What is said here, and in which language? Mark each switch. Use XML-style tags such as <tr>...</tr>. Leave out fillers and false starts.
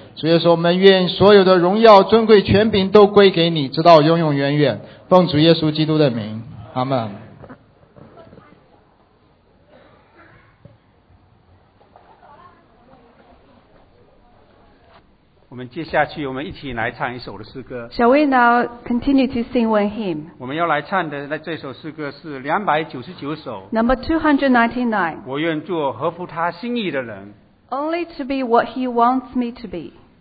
<zh>所以说我们愿所有的荣耀尊贵权柄都归给你，直到永永远远，奉主耶稣基督的名，阿们。我们接下去我们一起来唱一首的诗歌。</zh> <en>Shall we now continue to sing one hymn?</en> <zh>我们要来唱的这首诗歌是299首。</zh> <en>Number 299.</en> <zh>我愿做合乎他心意的人。</zh> <en>Only to be what he wants me to be.</en>